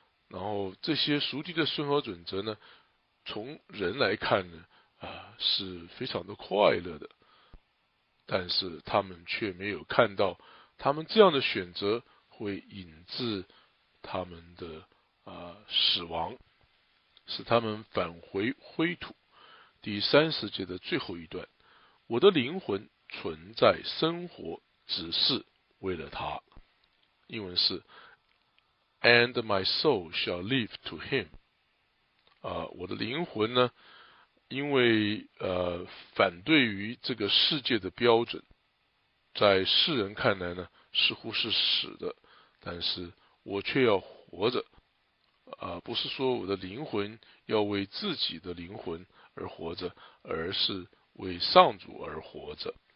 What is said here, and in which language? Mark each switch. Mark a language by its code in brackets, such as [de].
[zh] 然后这些属地的生活准则呢，从人来看呢是非常的快乐的，但是他们却没有看到，他们这样的选择会引致他们的死亡，使他们返回灰土。第三十节的最后一段，我的灵魂存在生活只是为了他。英文是 [en] And my soul shall live to him. [zh] 我的灵魂呢，因为反对于这个世界的标准，在世人看来呢似乎是死的，但是我却要活着，不是说我的灵魂要为自己的灵魂而活着，而是为上主而活着。